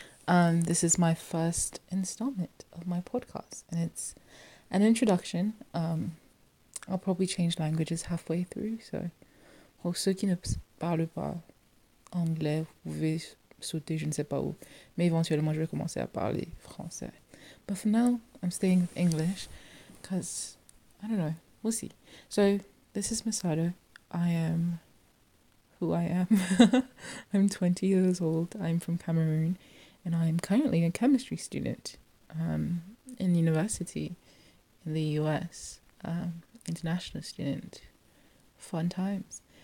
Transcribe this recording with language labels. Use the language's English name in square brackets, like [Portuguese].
[English] This is my first installment of my podcast, and it's an introduction. I'll probably change languages halfway through, so [French] pour ceux qui ne parlent pas anglais, vous pouvez sauter, je ne sais pas où, mais éventuellement je vais commencer à parler français. [English] But for now, I'm staying with English, because, I don't know, we'll see. So, this is Masato. I am who I am. I'm 20 years old. I'm from Cameroon, and I'm currently a chemistry student in university in the US, international student. Fun times.